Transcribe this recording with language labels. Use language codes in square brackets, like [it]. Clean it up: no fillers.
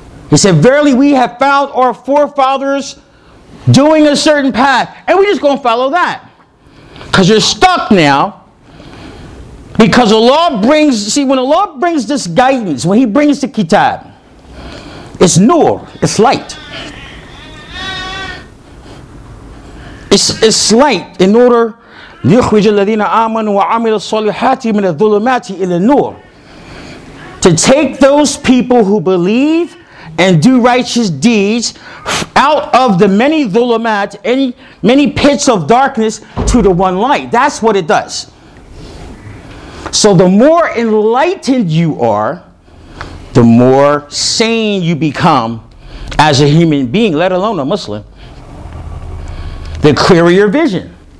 [en] He said, "Verily, we have found our forefathers doing a certain path, and we're just going to follow that." Because you're stuck now. Because Allah brings, see, when Allah brings this guidance, when He brings the kitab, it's nur, it's light. It's light in order [ar] ليخرج الذين آمنوا وعملوا الصالحات من الظلمات إلى النور. [en] To take those people who believe and do righteous deeds out of the many dhulumat, many pits of darkness, to the one light. That's what it does. So the more enlightened you are, the more sane you become as a human being, let alone a Muslim, the clearer your vision.